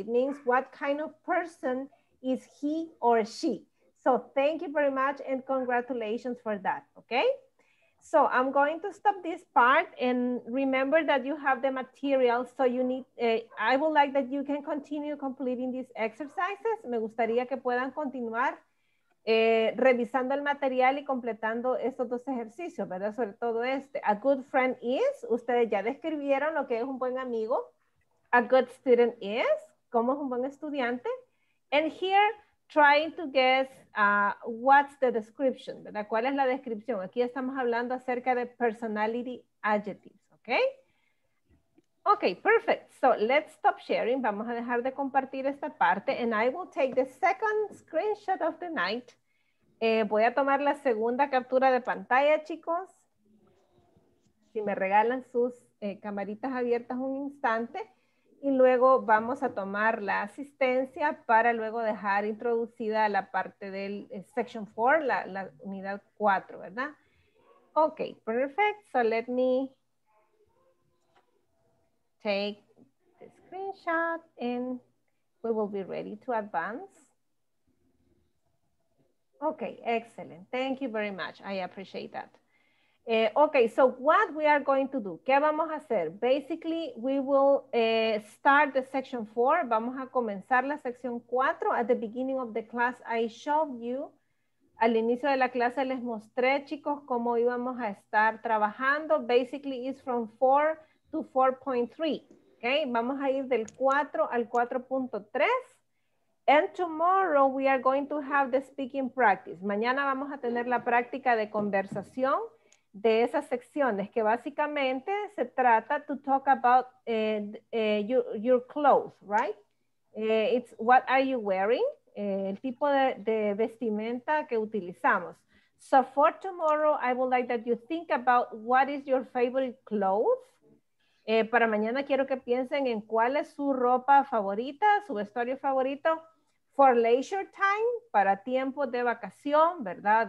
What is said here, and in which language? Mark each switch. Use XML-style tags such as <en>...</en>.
<en>It means what kind of person is he or she. So thank you very much and congratulations for that, okay? So I'm going to stop this part and remember that you have the material. So you need, I would like that you can continue completing these exercises.</en> <es>Me gustaría que puedan continuar revisando el material y completando estos dos ejercicios, ¿verdad? Sobre todo este.</es> <en>A good friend is,</en> <es>ustedes ya describieron lo que es un buen amigo.</es> <en>A good student is,</en> <es>¿cómo es un buen estudiante?</es> <en>And here, trying to guess what's the description,</en> <es>¿verdad? ¿Cuál es la descripción? Aquí estamos hablando acerca de</es> <en>personality adjectives,</en> <es>¿ok?</es> <en>Ok, perfect. So let's stop sharing.</en> <es>Vamos a dejar de compartir esta parte.</es> <en>And I will take the second screenshot of the night.</en> <es>Voy a tomar la segunda captura de pantalla, chicos. Si me regalan sus camaritas abiertas un instante. Y luego vamos a tomar la asistencia para luego dejar introducida la parte del section 4, la unidad 4, ¿verdad?</es> <en>Ok, perfect. So let me take the screenshot and we will be ready to advance. Ok, excellent. Thank you very much. I appreciate that. Okay, so what we are going to do,</en> <es>¿qué vamos a hacer?</es> <en>Basically, we will start the section 4.</en> <es>Vamos a comenzar la sección 4.</es> <en>At the beginning of the class, I showed you,</en> <es>al inicio de la clase les mostré, chicos, cómo íbamos a estar trabajando.</es> <en>Basically, it's from 4 to 4.3. Okay,</en> <es>vamos a ir del 4 al 4.3.</es> <en>And tomorrow, we are going to have the speaking practice.</en> <es>Mañana vamos a tener la práctica de conversación. De esas secciones que básicamente se trata</es> <en>to talk about your clothes, right? It's what are you wearing,</en> <es>el tipo de vestimenta que utilizamos.</es> <en>So for tomorrow, I would like that you think about what is your favorite clothes.</en> <es>Para mañana quiero que piensen en cuál es su ropa favorita, su vestuario favorito.</es> <en>For leisure time,</en> <es>para tiempo de vacación, ¿verdad?</es>